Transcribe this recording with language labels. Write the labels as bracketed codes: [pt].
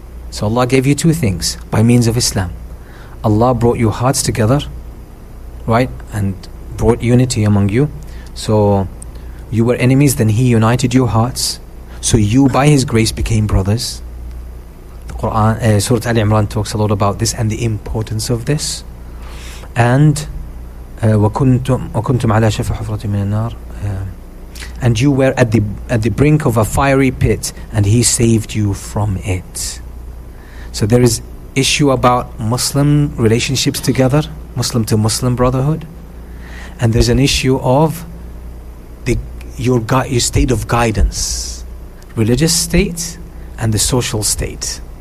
[en] So Allah gave you two things by means of Islam. Allah brought your hearts together, right? And brought unity among you. So you were enemies, then He united your hearts. So you, by His grace, became brothers. Quran, Surah Ali Imran talks a lot about this and the importance of this. [ar] And وَكُنْتُمْ عَلَى شَفَحُ حُفْرَةٍ مِنَ النَّارِ [en] and you were at the brink of a fiery pit, and he saved you from it. So there is issue about Muslim relationships together, Muslim to Muslim brotherhood, and there's an issue of your state of guidance, religious state and the social state.